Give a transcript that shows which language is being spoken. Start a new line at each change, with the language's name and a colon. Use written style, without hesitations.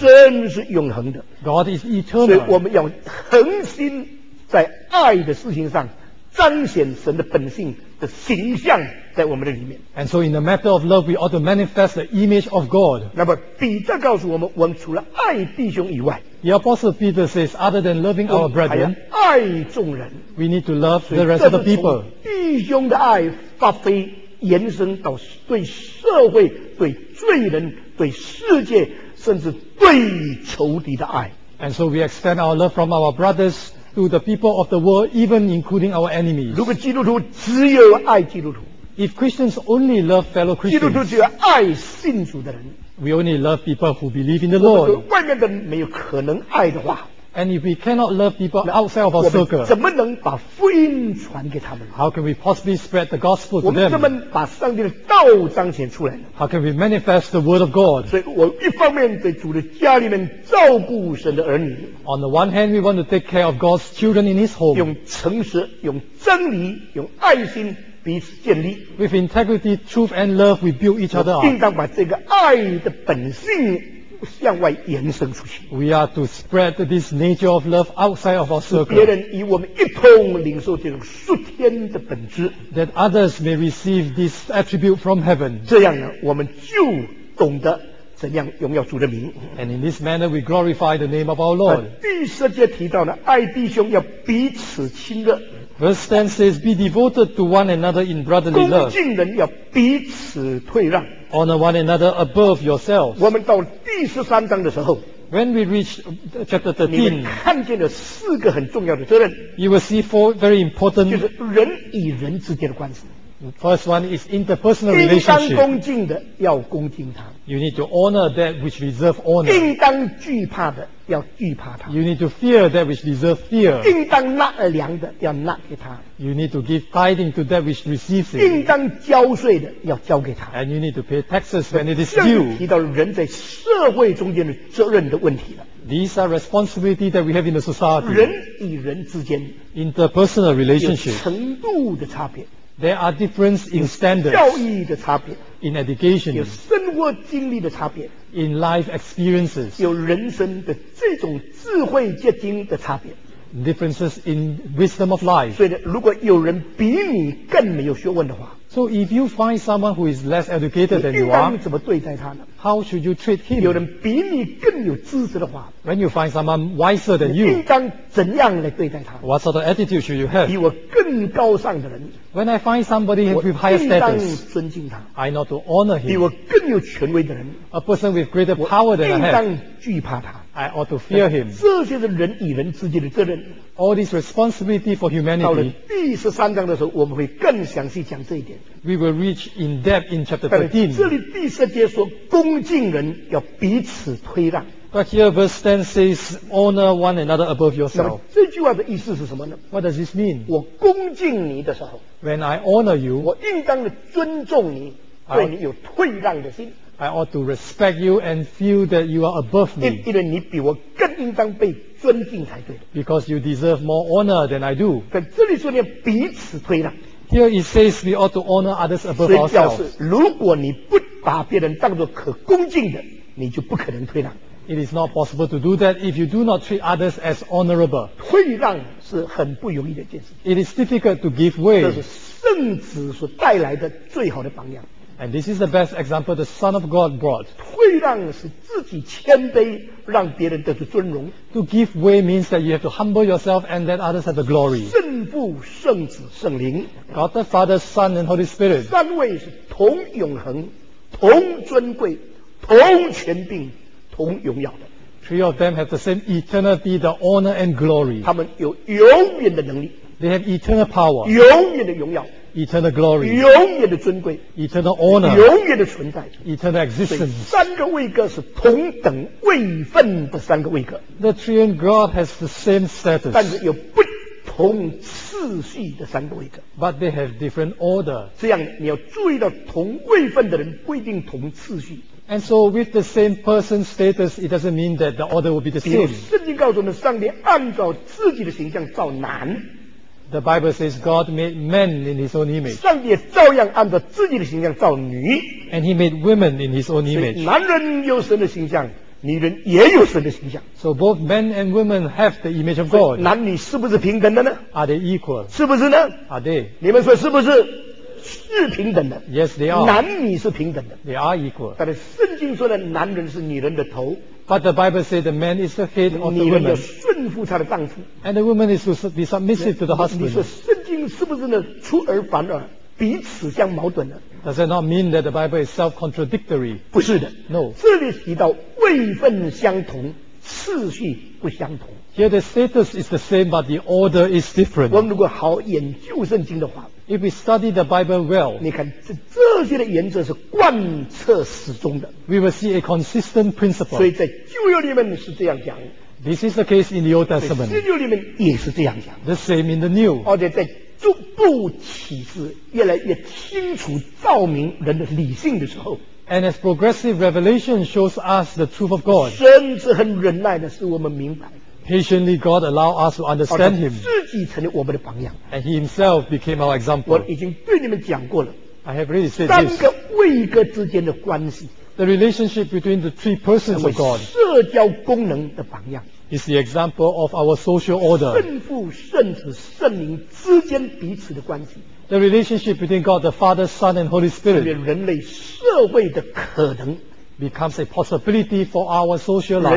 Chinese: 神是永恒的。
English: God is eternal.
Chinese: 所以我们要恒心在爱的事情上彰显神的本性的形象在我们的里面。
English: And so in the matter of love, we ought to manifest the image of God.
Chinese: 那么彼得告诉我们，我们除了爱弟兄以外，
English: The apostle Peter says, other than loving our brethren,
Chinese: 爱众人，
English: we need to love the rest of the people.
Chinese: 弟兄的爱发挥延伸到对社会、对罪人、对世界，甚至对仇敌的爱。
English: And so we extend our love from our brothers to the people of the world, even including our enemies.
Chinese: 如果基督徒只有爱基督徒，
English: if Christians only love fellow Christians,
Chinese: 基督徒只有爱信主的人，
English: we only love people who believe in the Lord.
Chinese: 外面的人没有可能爱的话，
English: and if we cannot love people outside of our circle,
Chinese: 怎么能把福音传给他们？
English: How can we possibly spread the gospel to them?
Chinese: 我们怎么把上帝的道彰显出来呢？
English: How can we manifest the word of God?
Chinese: 所以我一方面在主的家里面照顾神的儿女，
English: on the one hand, we want to take care of God's children in his home.
Chinese: 用诚实，用真理，用爱心彼此建立。
English: With integrity, truth and love, we build each other up.
Chinese: 应当把这个爱的本性向外延伸出去。
English: We are to spread this nature of love outside of our circle.
Chinese: 别人与我们一同领受这种属天的本质。
English: That others may receive this attribute from heaven.
Chinese: 这样呢，我们就懂得怎样荣耀主的名。
English: And in this manner we glorify the name of our Lord.
Chinese: 第十节提到呢，爱弟兄要彼此亲热。
English: Verse 10 says, be devoted to one another in brotherly love.
Chinese: 恭敬人要彼此退让。
English: Honor one another above yourselves.
Chinese: 我们到第十三章的时候，
English: When we reach chapter 13,
Chinese: 你们看见了四个很重要的责任。
English: You will see four very important.
Chinese: 就是人与人之间的关系。
English: The first one is interpersonal relationship.
Chinese: 应当恭敬的要恭敬他。
English: You need to honor that which deserves honor.
Chinese: 应当惧怕的要惧怕他。
English: You need to fear that which deserves fear.
Chinese: 应当纳而良的要纳给他。
English: You need to give tithing to that which receives it.
Chinese: 应当交税的要交给他。
English: And you need to pay taxes when it is due.
Chinese: 提到人在社会中间的责任的问题了。
English: These are responsibilities that we have in the society.
Chinese: 人与人之间
English: interpersonal relationship
Chinese: 有程度的差别。
English: There are difference in standards.
Chinese: 教育的差别。
English: In education.
Chinese: 有生活经历的差别。
English: In life experiences.
Chinese: 有人生的这种智慧结晶的差别。
English: Differences in wisdom of life.
Chinese: 所以如果有人比你更没有学问的话。
English: So if you find someone who is less educated than you are,
Chinese: 你应当怎么对待他呢？
English: How should you treat him?
Chinese: 有人比你更有知识的话。
English: When you find someone wiser than you,
Chinese: 你应当怎样来对待他？
English: What sort of attitude should you have?
Chinese: 比我更高尚的人。
English: When I find somebody with higher status,
Chinese: 我应当尊敬他。
English: I not to honor him.
Chinese: 比我更有权威的人。
English: A person with greater power than I have,
Chinese: 我应当惧怕他。
English: I ought to fear him.
Chinese: 这些是人与人之间的责任。
English: All this responsibility for humanity.
Chinese: 到了第十三章的时候，我们会更详细讲这一点。
English: We will reach in depth in chapter 13.
Chinese: 这里第十节说，恭敬人要彼此推让。
English: But here verse 10 says, honor one another above yourself.
Chinese: 那么这句话的意思是什么呢？
English: What does this mean?
Chinese: 我恭敬你的时候，
English: When I honor you,
Chinese: 我应当的尊重你，对你有退让的心。
English: I ought to respect you and feel that you are above me.
Chinese: 因为你比我更应当被尊敬才对。
English: Because you deserve more honor than I do.
Chinese: 在这里说你要彼此推让。
English: Here it says we ought to honor others above ourselves.
Chinese: 所以表示，如果你不把别人当作可恭敬的，你就不可能推让。
English: It is not possible to do that if you do not treat others as honorable.
Chinese: 退让是很不容易的一件事。
English: It is difficult to give way.
Chinese: 这是圣子所带来的最好的榜样。
English: And this is the best example the Son of God brought.
Chinese: 退让是自己谦卑，让别人得到尊荣。
English: To give way means that you have to humble yourself and let others have the glory.
Chinese: 圣父、圣子、圣灵。
English: God the Father, Son, and Holy Spirit.
Chinese: 三位是同永恒、同尊贵、同权柄、同荣耀的。
English: Three of them have the same eternity, the honor and glory.
Chinese: 他们有永远的能力。
English: They have eternal power.
Chinese: 永远的荣耀。
English: Eternal glory,
Chinese: 永远的尊贵
English: ，eternal honor,
Chinese: 永远的存在
English: ，eternal existence.
Chinese: 三个位格是同等位分的三个位格。
English: The Triune God has the same status,
Chinese: 但是有不同次序的三个位格。
English: But they have different order.
Chinese: 这样你要注意到，同位分的人不一定同次序。
English: And so with the same person status, it doesn't mean that the order will be the same.
Chinese: 比如圣经告诉我们，上帝按照自己的形象造男。
English: The Bible says God made men in His own image.
Chinese: 上帝也照样按照自己的形象造女。
English: And He made women in His own image.
Chinese: 男人有神的形象，女人也有神的形象。
English: So both men and women have the image of God.
Chinese: 男女是不是平等的呢？
English: Are they equal?
Chinese: 是不是呢？
English: Are they?
Chinese: 你们说是不是？是平等的。
English: Yes, they are.
Chinese: 男女是平等的。
English: They are equal.
Chinese: 但是圣经说的男人是女人的头。
English: But the Bible says the man is the head of the woman.
Chinese: 女人要顺服她的丈夫。
English: And the woman is to be submissive to the husband.
Chinese: 你说圣经是不是呢？出尔反尔，彼此相矛盾呢？
English: Does that not mean that the Bible is self-contradictory?
Chinese: 不是的。
English: No.
Chinese: 这里提到位分相同，次序不相同。
English: Here the status is the same, but the order is different.
Chinese: 我们如果好研究圣经的话。
English: If we study the Bible well,
Chinese: 你看这些的原则是贯彻始终的。
English: We will see a consistent principle.
Chinese: 所以在旧约里面是这样讲。
English: This is the case in the Old Testament.
Chinese: 在新约里面也是这样讲。
English: The same in the New.
Chinese: 而且在逐步启示，越来越清楚照明人的理性的时候。
English: And as progressive revelation shows us the truth of God.
Chinese: 神是很忍耐的，使我们明白。
English: Patiently, God allowed us to understand Him.
Chinese: 自己成了我们的榜样。
English: And He Himself became our example.
Chinese: 我已经对你们讲过了。
English: I have already said this.
Chinese: 三个位格之间的关系。
English: The relationship between the three persons of God.
Chinese: 社交功能的榜样。
English: Is the example of our social order.
Chinese: 圣父、圣子、圣灵之间彼此的关系。
English: The relationship between God, the Father, Son, and Holy Spirit.
Chinese: 成为人类社会的可能。
English: Becomes a possibility for our social life.